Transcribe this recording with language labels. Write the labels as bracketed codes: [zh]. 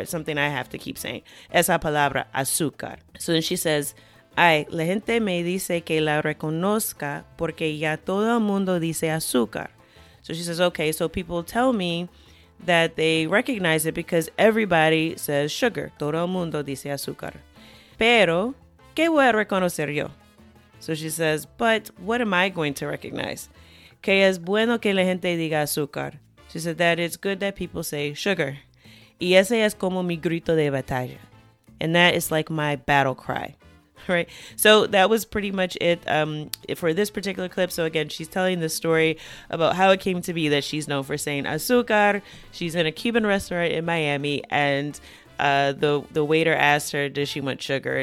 [en] It's something I have to keep saying. [es] Esa palabra, azúcar. [en] So then she says, [es] ay, la gente me dice que la reconozca porque ya todo el mundo dice azúcar. [en] So she says, okay, so people tell me that they recognize it because everybody says sugar. [es] Todo el mundo dice azúcar. Pero, ¿qué voy a reconocer yo? [en] So she says, but what am I going to recognize? [es] Que es bueno que la gente diga azúcar. [en] She said that it's good that people say sugar. [es] Y ese es como mi grito de batalla. [en] And that is like my battle cry. Right. So that was pretty much it for this particular clip. So again, she's telling the story about how it came to be that she's known for saying azúcar. She's in a Cuban restaurant in Miami, and the waiter asked her, does she want sugar?